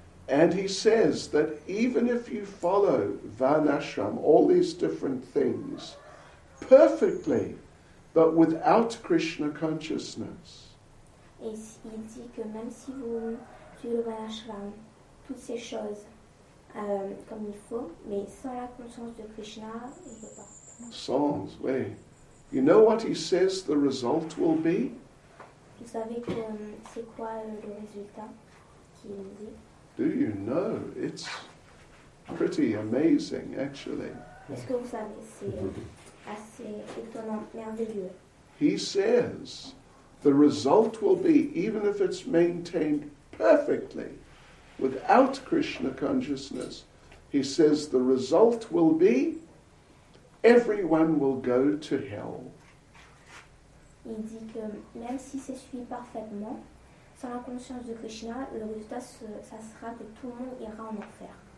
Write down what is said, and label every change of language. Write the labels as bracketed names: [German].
[English] And he says that even if you follow Varnashram, all these different things, perfectly, but without Krishna consciousness. [French] Il dit que même si vous suivez le Varnashram, toutes ces choses comme il faut, mais sans la conscience de Krishna, il ne peut pas. Sans, oui. [English] You know what he says the result will be? [French] Vous savez que c'est quoi le résultat qu'il dit? [English] Do you know? It's pretty amazing, actually. [French] Est-ce que vous savez, c'est assez étonnant, merveilleux. [English] He says the result will be, even if it's maintained perfectly without Krishna consciousness, he says the result will be everyone will go to hell. [French] Il dit que même si c'est suivi parfaitement, sans la conscience de Krishna, le résultat, ça sera que tout le monde ira en enfer.